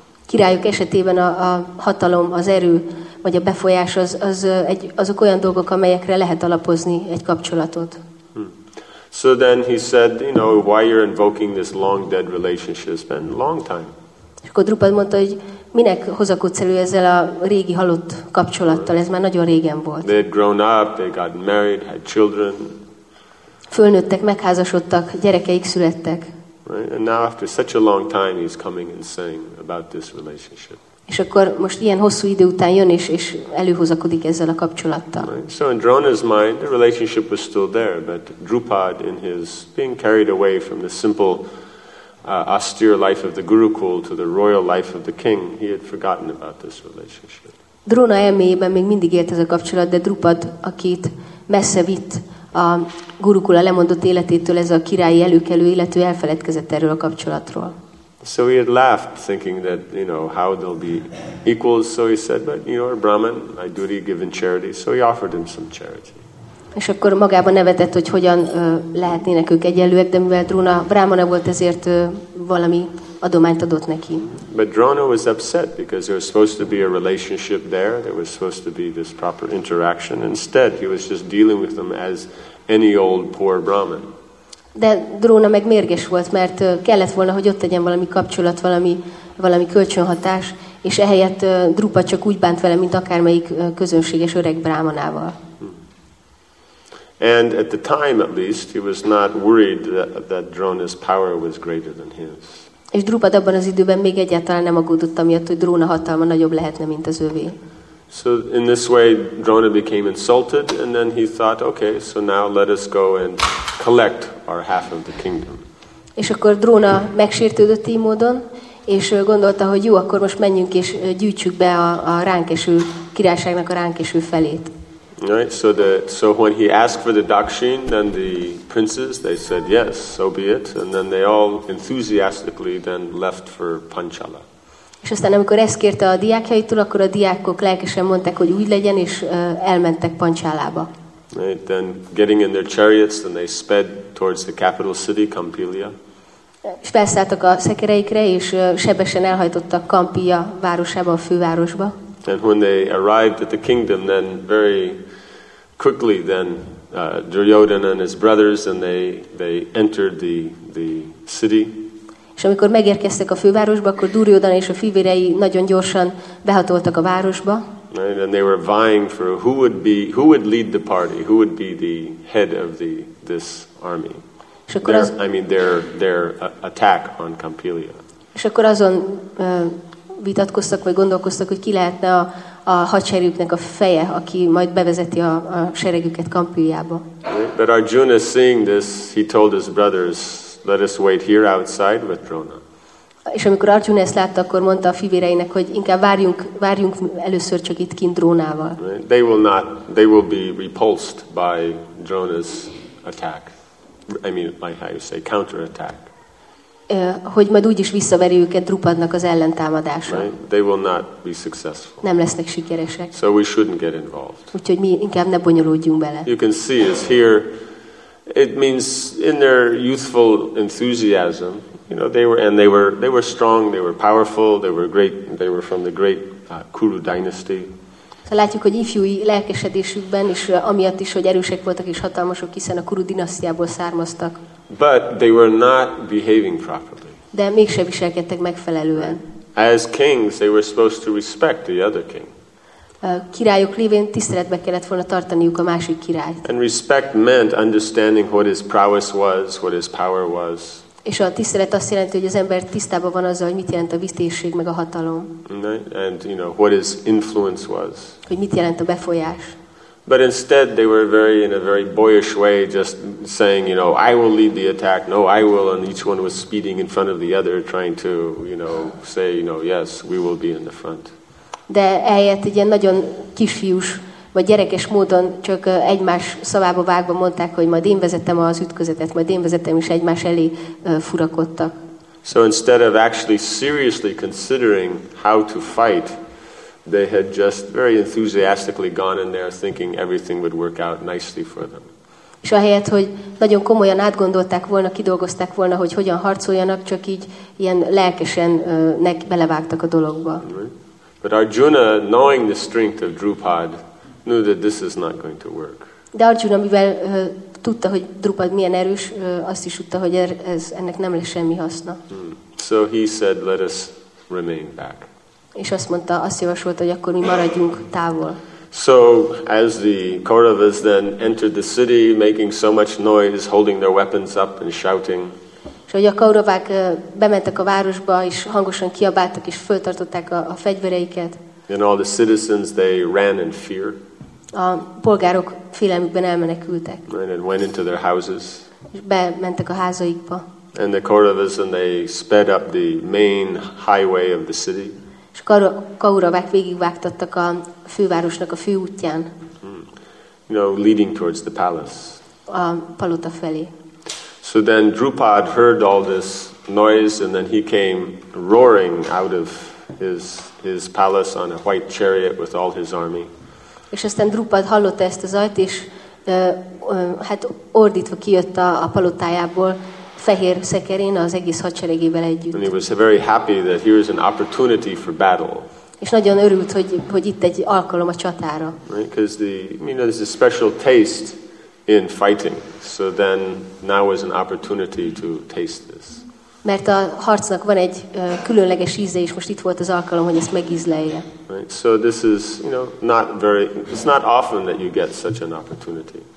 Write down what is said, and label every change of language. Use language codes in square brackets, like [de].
[hu] Királyok esetében a hatalom, az erő vagy a befolyás azok olyan dolgok, amelyekre lehet alapozni egy kapcsolatot. [en] So then he said, you know, why you're invoking this long dead relationship? It's been a long time. [hu] És akkor Drupad mondta, hogy minek hozakodsz elő ezzel a régi halott kapcsolattal, ez már nagyon régen volt. [en] They had grown up, they got married, had children. [hu] Fölnőttek, megházasodtak, gyerekeik születtek. [en] Right? And now after such a long time he's coming and saying about this relationship. [hu] És akkor most ilyen hosszú idő után jön és előhozakodik ezzel a kapcsolattal. [en] Right? So in Drona's mind the relationship was still there, but Drupad in his being carried away from the simple austere life of the Gurukul to the royal life of the king, he had forgotten about this relationship. [hu] Drona elméjében még mindig élt ez a kapcsolat, de Drupad, akit messze vitt a Gurukula lemondott életétől ez a királyi előkelő élető, elfeledkezett erről a kapcsolatról. [en] So he had laughed, thinking that, you know, how they'll be equals, so he said, but you are Brahman, my duty given charity, so he offered him some charity. [hu] És akkor magában nevetett, hogy hogyan lehetnének ők egyenlőek, de mivel Drona brámana volt, ezért valami adományt adott neki. [en] But Drona was upset because there was supposed to be a relationship there, there was supposed to be this proper interaction. Instead, he was just dealing with them as any old poor Brahman. [hu] De Drona meg mérges volt, mert kellett volna, hogy ott legyen valami kapcsolat, valami kölcsönhatás, és ehelyett Drupa csak úgy bánt vele, mint akármelyik közönséges öreg brámanával. [en] And at the time, at least, he was not worried that Drona's power was greater than his. [hu] És Drupad abban az időben még egyáltalán nem aggódott amiatt, hogy Drona hatalma nagyobb lehetne, mint az övé. [en] So in this way, Drona became insulted, and then he thought, okay, so now let us go and collect our half of the kingdom. [hu] És akkor Drona megsértődött így módon, és gondolta, hogy jó, akkor most menjünk és gyűjtsük be a ránkeső királyságnak a ránkeső felét. [en] Right, so when he asked for the dakshin, then the princes, they said yes, so be it, and then they all enthusiastically then left for Panchala. [hu] És aztán amikor ezt kérte a diákjaitól, akkor a diákok lelkesen mondták, hogy úgy legyen, és elmentek Panchalába. [en] Right, then getting in their chariots, then they sped towards the capital city, Kampilya. [hu] És felszálltak a szekereikre, és sebesen elhajtottak Kampilya városába, a fővárosba. [en] And when they arrived at the kingdom, then very quickly, then Duryodhana and his brothers, and they entered the city. [hu] És amikor megérkeztek a fővárosba, akkor Duryodhana és a fivérei nagyon gyorsan behatoltak a városba. [en] Right, and they were vying for who would lead the party, who would be the head of this army. [hu] És akkor [en] their attack on Kampilya. [hu] És akkor azon vitatkoztak, vagy gondolkoztak, hogy ki lehetne a hadserejüknek a feje, aki majd bevezeti a seregüket Kampiljába. [en] But Arjuna seeing this, he told his brothers, let us wait here outside with Drona. [hu] És amikor Arjuna ezt látta, akkor mondta a fivéreinek, hogy inkább várjunk először csak itt kint Drónával. [en] They will be repulsed by Drona's attack. I mean, by how you say, counterattack. [hu] Hogy majd úgyis visszaveri őket Drupadnak az ellentámadása. [en] Right? They will not be successful. [hu] Nem lesznek sikeresek. [en] So we shouldn't get involved. [hu] Úgyhogy mi inkább ne bonyolódjunk bele. [en] You can see is here, it means in their youthful enthusiasm, you know, they were strong, they were powerful, they were great, they were from the great Kuru dynasty. [hu] Látjuk, hogy ifjúi lelkesedésükben és amiatt is, hogy erősek voltak és hatalmasok, hiszen a Kuru dinasztiából származtak. [en] But they were not behaving properly. [hu] De mégsem viselkedtek megfelelően. [en] As kings, they were supposed to respect the other king. [hu] Királyok lévén tiszteletbe kellett volna tartaniuk a másik királyt. [en] And respect meant understanding what his prowess was, what his power was. [hu] És a tisztelet azt jelenti, hogy az ember tisztában van azzal, hogy mit jelent a vezetésség meg a hatalom. [en] And you know what his influence was. [hu] Hogy mit jelent a befolyás. [en] But instead they were very in a very boyish way just saying, you know, I will lead the attack. No, I will, and each one was speeding in front of the other trying to, you know, say, you know, yes, we will be in the front. [hu] De eljött egy ilyen nagyon kisfiús vagy gyerekes módon csak egymás szavába vágva mondták, hogy majd én vezetem az ütközetet, majd én vezetem, is egymás elé furakodtak. [en] So instead of actually seriously considering how to fight, they had just very enthusiastically gone in there thinking everything would work out nicely for them. [hu] És ahelyett, hogy nagyon komolyan átgondolták volna, kidolgozták volna, hogy hogyan harcoljanak, csak így ilyen lelkesen belevágtak a dologba. [en] But Arjuna, knowing the strength of Drupad, knew that this is not going to work. [hu] De Arjuna, mivel tudta, hogy Drupad milyen erős, azt is tudta, hogy ez ennek nem lesz semmi haszna. [en] So he said, let us remain back. [hu] És azt mondta, azt javasolta, hogy akkor mi maradjunk távol. [en] So as the Kauravas then entered the city, making so much noise, holding their weapons up and shouting. [hu] És ahogy a Kauravák bementek a városba, és hangosan kiabáltak, és föltartották a fegyvereiket. [en] And all the citizens, they ran in fear. [hu] A polgárok félelmükben elmenekültek. [en] And it went into their houses. [hu] És bementek a házaikba. [en] And the Kauravas, and they sped up the main highway of the city. [hu] És Kauravák végigvágtattak a fővárosnak a főútján. [en] You know, leading towards the palace. [hu] A palota felé. [en] So then Drupad heard all this noise, and then he came roaring out of his palace on a white chariot with all his army. [hu] És aztán Drupad hallotta ezt a zajt, és hát ordítva kijött a palotájából fehér szekerén az egész hadseregével együtt. [en] And he was very happy that here is an opportunity for battle. [hu] És nagyon örült, hogy itt egy alkalom a csatára. [en] Right? Because the, you know, there's a special taste in fighting. So then now was an opportunity to taste this. [hu] Mert a harcnak van egy különleges íze, és most itt volt az alkalom, hogy ezt megízlelje. [en] Right. So this is, you know, not very, it's not often that you get such an opportunity.